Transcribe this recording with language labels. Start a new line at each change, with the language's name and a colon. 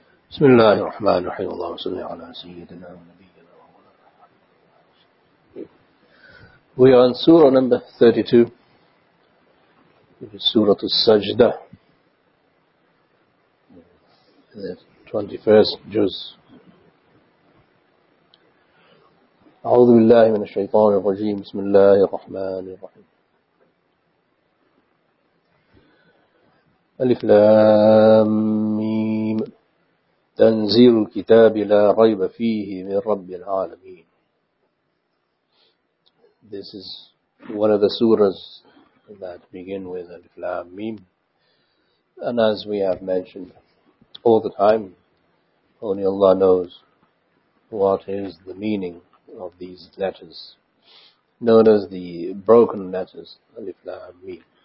Arabic: بسم الله الرحمن الرحيم اللهم صل على سيدنا ونبينا محمد.
English: We are on Surah number 32, which is Surah Al-Sajdah, the 21st juz.
Arabic: أعوذ بالله من الشيطان الرجيم بسم الله الرحمن الرحيم ألف لام ميم تنزيل الكتاب لا ريب فيه من رب العالمين.
English: This is one of the surahs that begin with
Arabic: ألف لام ميم,
English: and as we have mentioned all the time, only Allah knows what is the meaning of these letters, known as the broken letters, Alif Lam Mim.